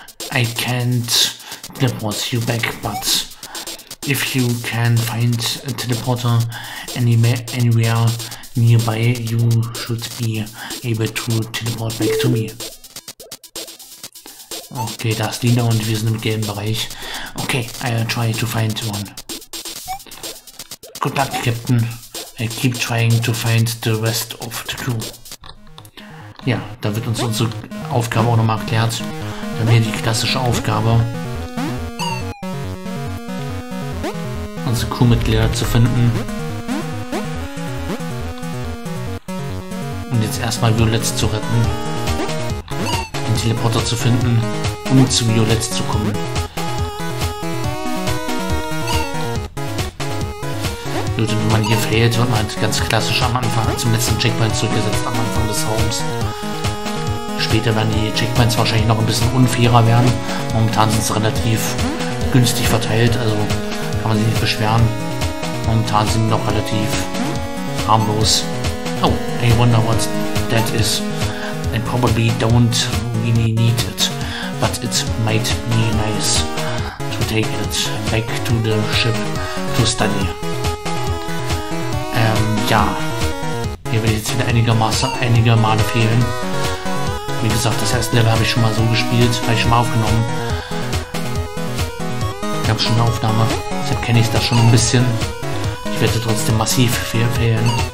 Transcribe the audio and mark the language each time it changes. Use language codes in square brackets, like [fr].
[en] I can't teleport you back, but If you can find a teleporter anywhere nearby, you should be able to teleport back to me. [de] Okay, da ist Lina und wir sind im gelben Bereich. [en] Okay, I'll try to find one. Good luck, Captain. I keep trying to find the rest of the crew. [de] Ja, da wird uns unsere Aufgabe auch nochmal erklärt. Dann wäre die klassische Aufgabe, unsere Crewmitglieder zu finden. Und jetzt erstmal Violett zu retten. Den Teleporter zu finden, um zu Violett zu kommen. Gut, wenn man hier fehlt, wird man halt ganz klassisch am Anfang zum letzten Checkpoint zurückgesetzt, am Anfang des Raums. Später werden die Checkpoints wahrscheinlich noch ein bisschen unfairer werden. Momentan sind sie relativ günstig verteilt, also kann man sich nicht beschweren. Momentan sind sie noch relativ harmlos. [en] Oh, I wonder what that is. I probably don't really need it, but it might be nice to take it back to the ship to study. [de] Ja, hier werde ich jetzt wieder einige Male fehlen. Wie gesagt, das erste Level habe ich schon mal so gespielt, habe ich schon mal aufgenommen. Ich habe schon eine Aufnahme, deshalb kenne ich das schon ein bisschen. Ich werde trotzdem massiv fehlen.